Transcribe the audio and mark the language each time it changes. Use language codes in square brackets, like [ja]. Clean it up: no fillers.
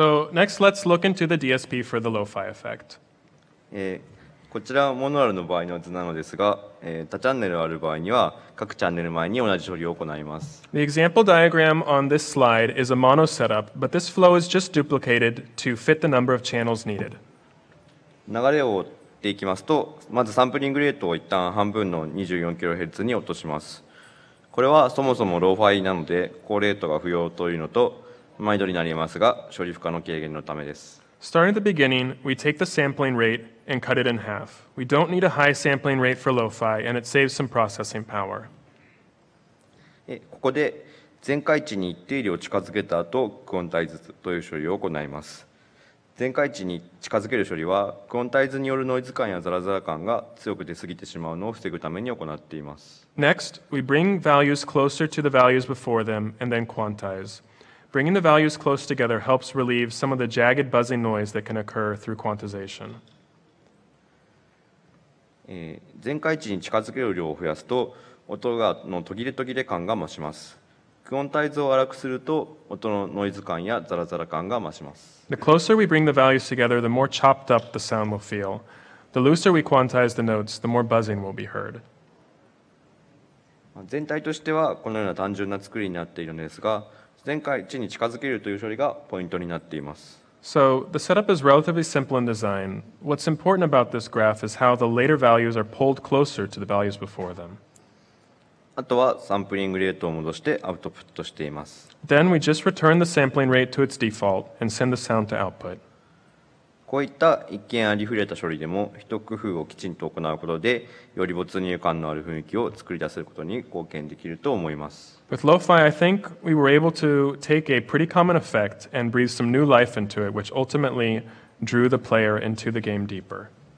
[en] So next, let's look into the DSP for the LoFi effect. [ja] こちらはモノラルの場合の図なのですが、多チャンネルある場合には各チャンネル前に同じ処理を行います。 [en] The example diagram on this slide is a mono setup, but this flow is just duplicated to fit the number of channels needed. [ja] 流れを追っていきますと、まずサンプリングレートを一旦半分の 24kHz に落とします。これはそもそもローファイなので高レートが不要というのと毎度になりますが処理負荷の軽減のためです。 [en] Starting at the beginning, we take the sampling rate and cut it in half. We don't need a high sampling rate for lo-fi and it saves some processing power. [ja] ここで全回値に一定量近づけた後、クオンタイズという処理を行います。全回値に近づける処理はクオンタイズによるノイズ感やザラザラ感が強く出過ぎてしまうのを防ぐために行っています。 [en] Next, we bring values closer to the values before them and then quantize. Bringing the values close together helps relieve some of the jagged buzzing noise that can occur through quantization. [ja] 全回値に近づける量を増やすと音がの途切れ途切れ感が増します。クオンタイズを粗くすると音のノイズ感やザラザラ感が増します。 [en] The closer we bring the values together, the more chopped up the sound will feel. The looser we quantize the notes, the more buzzing will be heard. [ja] 全体としてはこのような単純な作りになっているのですが、全回値に近づけるという処理がポイントになっています。 [en] So, the setup is relatively simple in design. What's important about this graph is how the later values are pulled closer to the values before them. [ja] あとはサンプリングレートを戻してアウトプットしています。 [en] Then we just return the sampling rate to its default and send the sound to output. [ja] こういった一見ありふれた処理でも一工夫をきちんと行うことでより没入感のある雰囲気を作り出せることに貢献できると思います。 [en] With lo-fi, I think we were able to take a pretty common effect and breathe some new life into it, which ultimately drew the player into the game deeper.